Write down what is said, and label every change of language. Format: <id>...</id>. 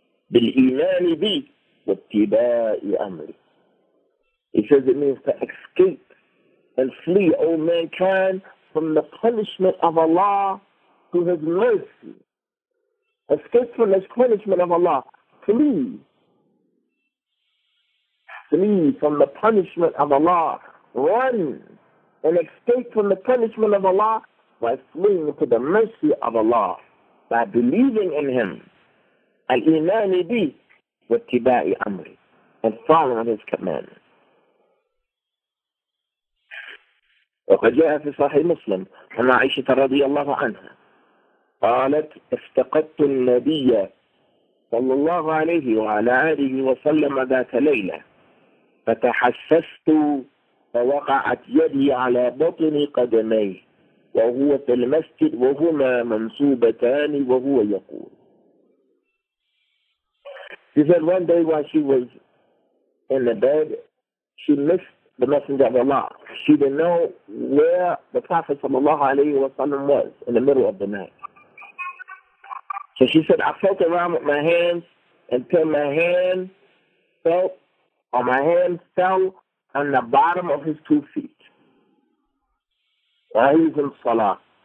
<ar>بالإيمان بي واتباع أمري.</ar> <en>He says it means to escape and flee, O mankind, from the punishment of Allah to His mercy. Escape from the punishment of Allah. Flee. Flee from the punishment of Allah. Run and escape from the punishment of Allah by fleeing to the mercy of Allah, by believing in Him.</en> <ar>الإيمان بي واتباع أمري</ar> <en>and following his commandments.</en> <ar>وقد جاء في صحيح مسلم أن عائشة رضي الله عنها قالت افتقدت النبي صلى الله عليه وعلى آله وسلم ذات ليلة فتحسست فوقعت يدي على بطن قدمي وهو في المسجد وهما منصوبتان وهو يقول.</ar> <en>She said one day while she was in the bed, she missed the Messenger of Allah. She didn't know where the Prophet was in the middle of the night. So she said, I felt around with my hands until my hand fell on the bottom of his 2 feet while he was in Salah.</en>